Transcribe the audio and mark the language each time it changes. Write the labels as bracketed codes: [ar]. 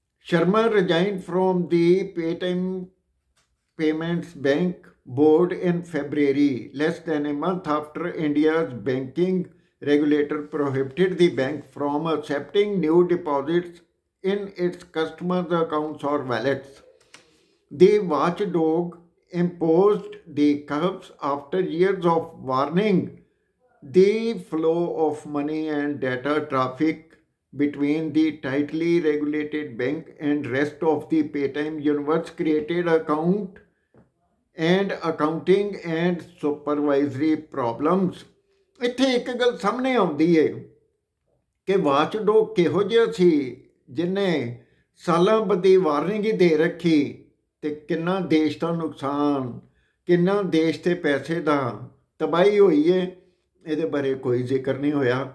[en] Sharma resign from the Paytm payments bank board in February, less than a month after India's banking regulator prohibited the bank from accepting new deposits in its customers accounts or wallets. The watchdog imposed the curbs after years of warning the flow of money and data traffic between the tightly regulated bank and rest of the paytm universe created account and accounting and supervisory problems. [pa] ithe ek gal samne aundi hai ke watchdog keho je si jinne saalan badi warning hi de rakhi ਅਤੇ ਕਿੰਨਾ ਦੇਸ਼ ਦਾ ਨੁਕਸਾਨ, ਕਿੰਨਾ ਦੇਸ਼ ਦੇ ਪੈਸੇ ਦਾ ਤਬਾਹੀ ਹੋਈ ਹੈ, ਇਹਦੇ ਬਾਰੇ ਕੋਈ ਜ਼ਿਕਰ ਨਹੀਂ ਹੋਇਆ।